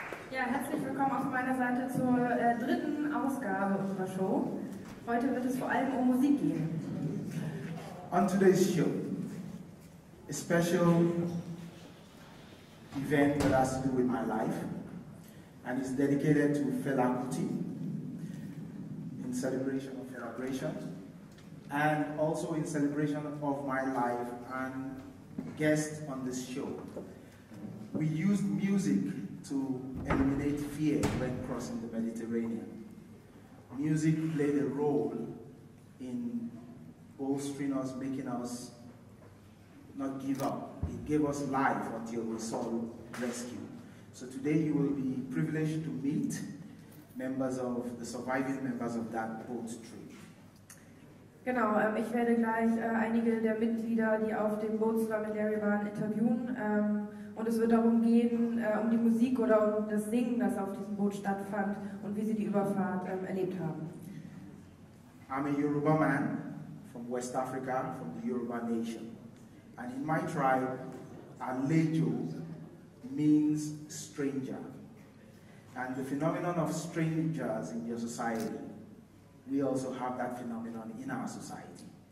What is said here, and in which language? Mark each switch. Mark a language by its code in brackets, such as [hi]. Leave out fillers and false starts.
[de] Ja, herzlich willkommen auf meiner Seite zur dritten Ausgabe unserer Show. Heute wird es vor allem um Musik gehen. [en] On today's show, a special event that has to do with my life. And it's dedicated to Fela Kuti in celebration of her operation and also in celebration of my life and guest on this show. We used music to eliminate fear when crossing the Mediterranean. Music played a role in bolstering us, making us not give up. It gave us life until we saw rescue. So today you will be privileged to meet members of the surviving members of that boat trip. [de] Genau, ich werde gleich einige der Mitglieder, die auf dem Boot zusammen mit Larry waren, interviewen. Und es wird darum gehen, um die Musik oder um das Singen, das auf diesem Boot stattfand und wie sie die Überfahrt erlebt haben. [en] I'm a Yoruba man from West Africa, from the Yoruba nation. And in my tribe, Alejo means stranger, and the phenomenon of strangers in your society, we also have that phenomenon in our society.